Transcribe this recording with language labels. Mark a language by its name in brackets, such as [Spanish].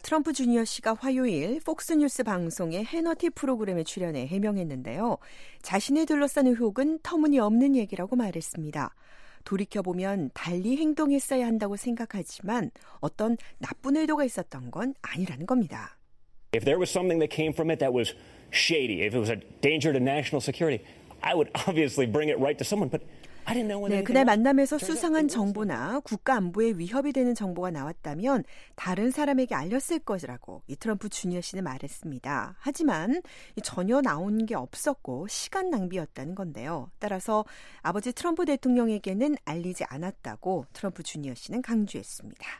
[Korean] 트럼프 주니어 씨가 화요일 폭스뉴스 방송의 해너티 프로그램에 출연해 해명했는데요. 자신을 둘러싼 의혹은 터무니없는 얘기라고 말했습니다. 돌이켜보면 달리 행동했어야 한다고 생각하지만 어떤 나쁜 의도가 있었던 건 아니라는 겁니다. [English] If there was something that came from it that was shady, if it was a danger to national security, I would obviously bring it right to someone, but [Korean] 네, 그날 만남에서 수상한 정보나 국가 안보에 위협이 되는 정보가 나왔다면 다른 사람에게 알렸을 것이라고 이 트럼프 주니어 씨는 말했습니다. 하지만 전혀 나온 게 없었고 시간 낭비였다는 건데요. 따라서 아버지 트럼프 대통령에게는 알리지 않았다고 트럼프 주니어 씨는 강조했습니다.